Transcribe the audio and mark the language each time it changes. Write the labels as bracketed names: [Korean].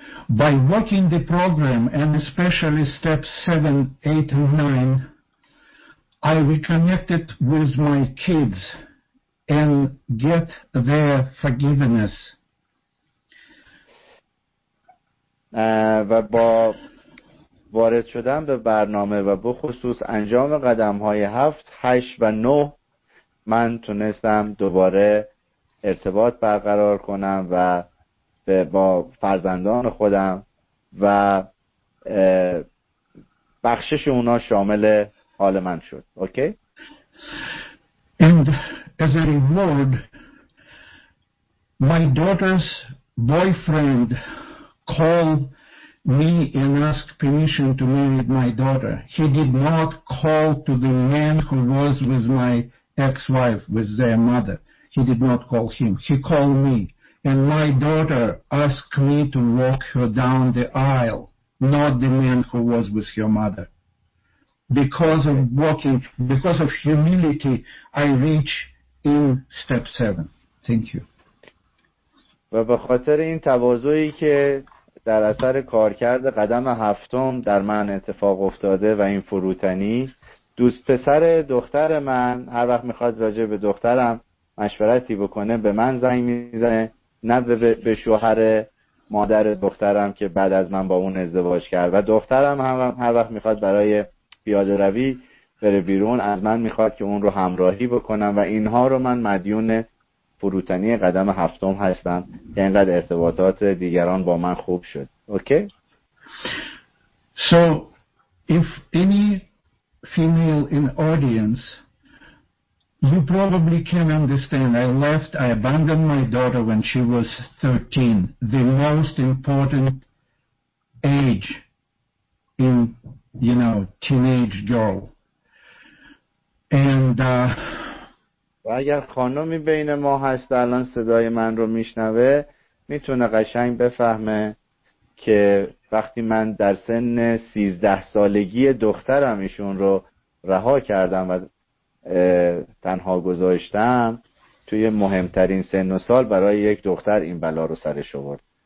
[English] By working the program and especially steps 7, 8 and 9, I reconnected with my kids and get their forgiveness. [Persian] و با وارد شدن به برنامه و بخصوص انجام قدم‌های 7, 8 و 9 من تونستم دوباره ارتباط برقرار کنم و با فرزندان خودم و بخشش اونا شامل حال من شد. [English] Okay? And as a reward, my daughter's boyfriend called me and asked permission to marry my daughter. He did not call to the man who was with my ex-wife, with their mother. He did not call him. He called me. And my daughter asked me to walk her down the aisle, not the man who was with her mother. Because of walking, because of humility, I reach in step 7. Thank you. [Persian] و به خاطر این تواضعی که در اثر کارکرد قدم هفتم در من اتفاق افتاده و این فروتنی، دوست پسر دختر من هر وقت میخواد راجع به دخترم مشورتی بکنه به من زنگ میزنه، نه به شوهر مادر دخترم که بعد از من با اون ازدواج کرد، و دخترم هم هر وقت میخواد برای پیاده روی بره بیرون از من میخواد که اون رو همراهی بکنم، و اینها رو من مدیون فروتنی قدم هفتم هستم که اینقدر ارتباطات دیگران با من خوب شد. [English] Okay? So if any female in audience, you probably can understand, I abandoned my daughter when she was 13, the most important age in, you know, teenage girl. And [Persian] و اگر خانمی بین ما هست الان صدای من رو میشنوه میتونه قشنگ بفهمه که وقتی من در سن 13 سالگی دخترم ایشون رو رها کردم و تنها گذاشتم، توی مهمترین سن و سال برای یک دختر این بلا رو سرش آورد.